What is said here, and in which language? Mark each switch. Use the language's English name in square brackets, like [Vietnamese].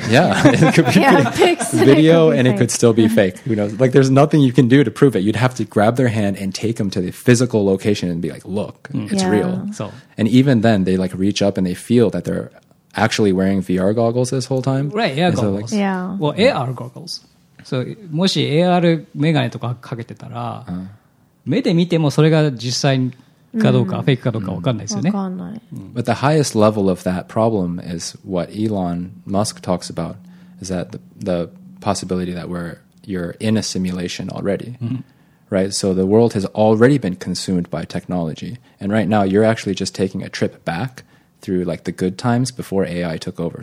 [English] Yeah, it could be pics. Video could be and fake. It could still be fake. Who knows? Like, there's nothing you can do to prove it. You'd have to grab their hand and take them to the physical location and be like, "Look, it's real." So, and even then, they like reach up and they feel that they're actually wearing VR goggles this whole time. Right? Yeah, goggles. Like, AR goggles. [Japanese] So, もし AR メガネとかかけてたら、目で見てもそれが実際に。かどうか、フェイクかどうか分かんないですよね。分かんない。 [English] But the highest level of that problem is what Elon Musk talks about, is that the possibility that you're in a simulation already, right? So the world has already been consumed by technology, and right now you're actually just taking a trip back through like the good times before AI took over.